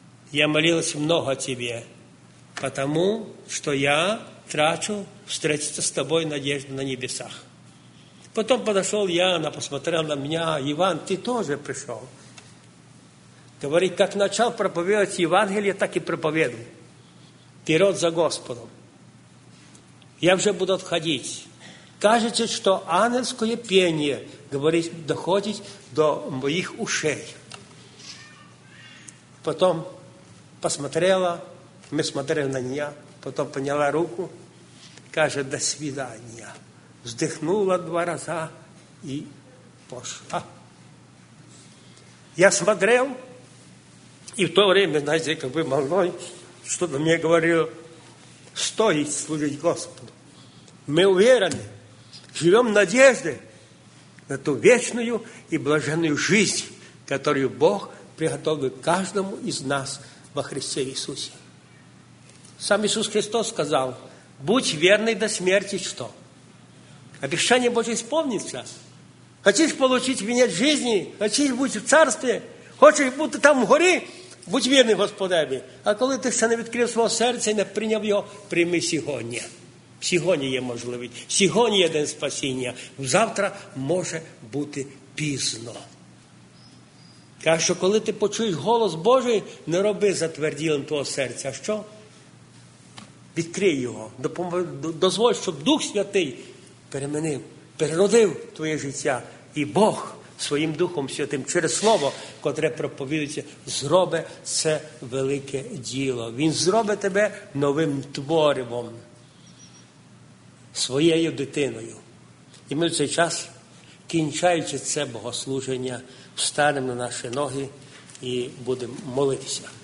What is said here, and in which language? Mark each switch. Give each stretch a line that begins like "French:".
Russian: Я молилась много тебе, потому что я трачу встретиться с тобой надежду на небесах. Потом подошел я, она посмотрела на меня, Иван, ты тоже пришел. Говорит, как начал проповедовать Евангелие, так и проповедую. Вперед за Господом.
Ukrainian: Я вже буду відходити. Кажете, що ангельське пєння говорить, доходить до моїх ушей. Потім посмотрела, ми смотрели на неї, потім підняла руку, каже, до свидання. Вздихнула два рази і пішла.
Russian: Я смотрел, и в то время, знаете, как бы молодой, что-то мне говорил, стоит служить Господу. Мы уверены, живем надеждой на ту вечную и блаженную жизнь, которую Бог приготовил каждому из нас во Христе Иисусе. Сам Иисус Христос сказал, будь верный до смерти, что? Обещание Божие исполнится. Хочешь получить венец жизни? Хочешь быть в царстве? Хочешь быть там в горе? Будь верным Господами. А когда ты еще не открыл свое сердце и не принял его, прими сегодня. Сегодня есть возможность. Сегодня есть день спасения. Завтра может быть поздно. Каже, что когда ты почуешь голос Божий,
Ukrainian: не роби затверділим
Russian: твоего сердца. А что? Открой его. Дозволь, чтобы Дух Святий переменил.
Ukrainian: Переродив твоє життя, і Бог своїм Духом Святим через Слово, котре проповідується, зробить це велике діло. Він зробить тебе новим творивом, своєю дитиною. І ми в цей час, кінчаючи це богослуження, встанемо на наші ноги і будемо молитися.